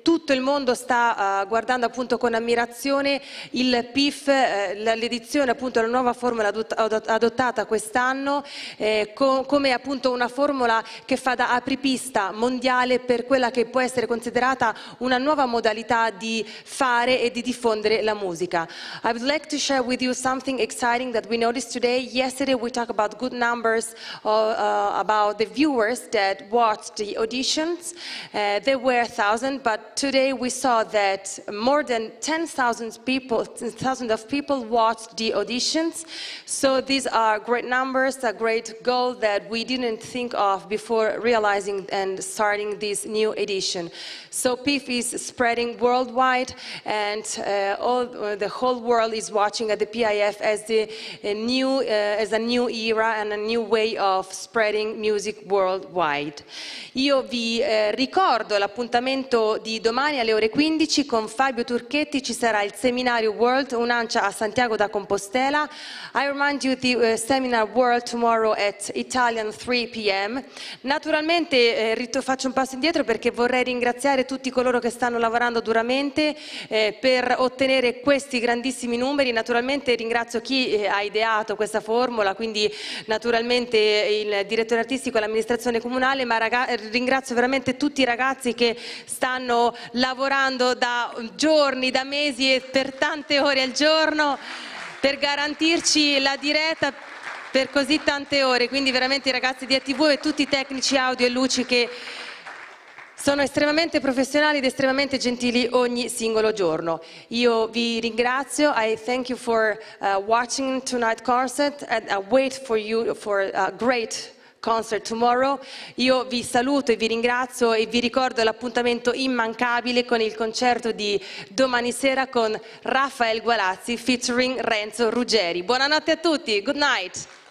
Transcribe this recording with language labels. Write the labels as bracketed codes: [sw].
[it] tutto il mondo sta guardando appunto con ammirazione il PIF, l'edizione, appunto la nuova formula adottata quest'anno, come appunto una formula che fa da apripista mondiale per quella che può essere considerata una nuova modalità di fare e di diffondere la musica. [en] I would like to share with you something exciting that we noticed today. Yesterday we talked about good numbers about the viewers that watched the auditions. There were 1,000, but today we saw that more than 10,000 of people watched the auditions. So these are great numbers, a great goal that we didn't think of before realizing and starting this new edition. So PIF is spreading worldwide, and the whole world is watching at the PIF as a new era and a new way of spreading music worldwide. [it] Io vi ricordo l'appuntamento di domani alle ore 15 con Fabio Turchetti. Ci sarà il seminario World Unancia a Santiago da Compostela. [en] I remind you the seminar World tomorrow at Italian 3 p.m. [it] Naturalmente faccio un passo indietro perché vorrei ringraziare tutti coloro che stanno lavorando duramente per ottenere questi grandissimi numeri. Naturalmente ringrazio chi ha ideato questa formula, quindi naturalmente il direttore artistico e l'amministrazione comunale, ma ringrazio veramente tutti i ragazzi che stanno lavorando da giorni, da mesi e per tante ore al giorno per garantirci la diretta per così tante ore. Quindi veramente i ragazzi di ATV e tutti i tecnici audio e luci che sono estremamente professionali ed estremamente gentili ogni singolo giorno. Io vi ringrazio. [en] I thank you for watching tonight concert and I wait for you for a great concert tomorrow. [it] Io vi saluto e vi ringrazio e vi ricordo l'appuntamento immancabile con il concerto di domani sera con Raffaele Gualazzi featuring Renzo Ruggeri. Buonanotte a tutti. [en] Good night.